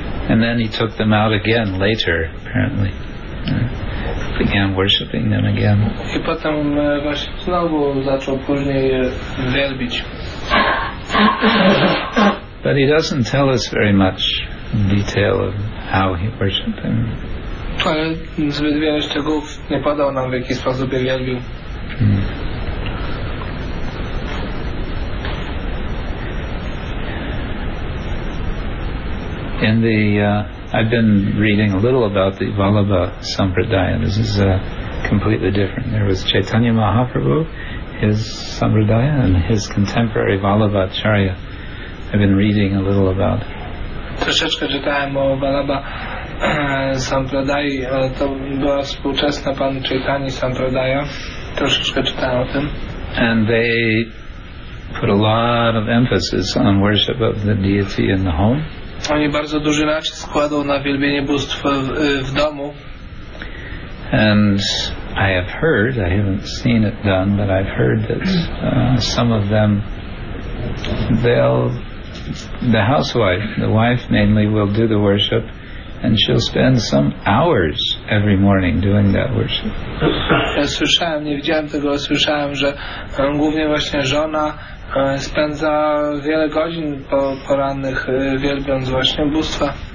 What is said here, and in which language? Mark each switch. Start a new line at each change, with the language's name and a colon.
English: And then he took them out again later, apparently. Began worshipping them again.
Polish: I potem właśnie znowu zaczął później je wielbić.
English: But he doesn't tell us very much in detail of how he worshipped them.
Polish: Ale zbyt wiele szczegółów nie podał nam, w jaki sposób je wielbił.
English: In the I've been reading a little about the Vallabha Sampradaya. This is completely different. There was Chaitanya Mahaprabhu, his Sampradaya, and his contemporary Vallabha Acharya. I've been reading a little about.
Polish: Troszeczkę czytałem o Vallabha Sampradaya, ale to była współczesna pan Chaitanya Sampradaya. Troszeczkę czytałem o tym.
English: And they put a lot of emphasis on worship of the deity in the home.
Polish: Oni bardzo duży nacisk kładą na wielbienie bóstw w domu.
English: And I have heard, I haven't seen it done, but I've heard that some of them, the housewife, the wife mainly, will do the worship, and she'll spend some hours every morning doing that worship.
Polish: Ja słyszałem, nie widziałem tego, ale słyszałem, że głównie właśnie żona spędza wiele godzin porannych wielbiąc właśnie bóstwa.